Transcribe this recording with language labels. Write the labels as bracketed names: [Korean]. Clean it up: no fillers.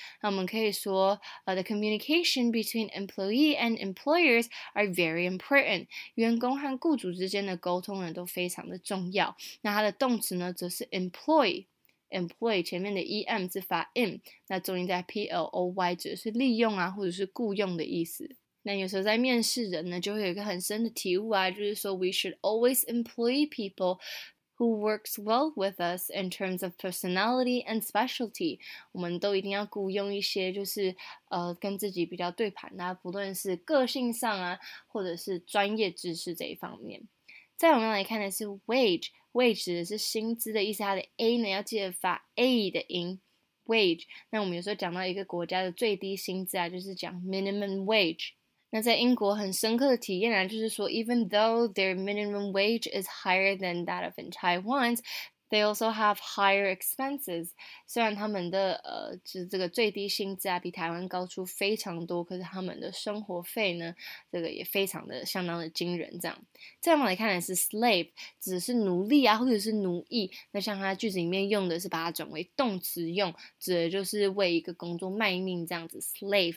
[English] 那我们可以说 the communication between employee and employers are very important。 [Chinese] 员工和雇主之间的沟通呢，都非常的重要。那它的动词呢，则是 employ。employ 前面的 em 是发 m， 那重音在 ploy， 指的是利用啊，或者是雇用的意思。 [English] 那有时候在面试人呢，就会有一个很深的体悟啊，就是说 we should always employ people who works well with us in terms of personality and specialty。 [Chinese] 我们都一定要雇用一些就是跟自己比较对盘啊，不论是个性上啊，或者是专业知识这一方面。再我们来看的是 wage 指的是薪资的意思，它的 a 呢要记得发 a 的音 wage。那我们有时候讲到一个国家的最低薪资啊，就是讲 minimum wage。 [English] 那在英国很深刻的体验啊，就是说 even though their minimum wage is higher than that of in Taiwan's, they also have higher expenses。 [Chinese] 虽然他们的就是这个最低薪资啊比台湾高出非常多，可是他们的生活费呢，这个也非常的相当的惊人这样。再往来看的是 slave， 指的是奴隶啊，或者是奴役。那像他句子里面用的是把它转为动词用，指的就是为一个工作卖命这样子 slave。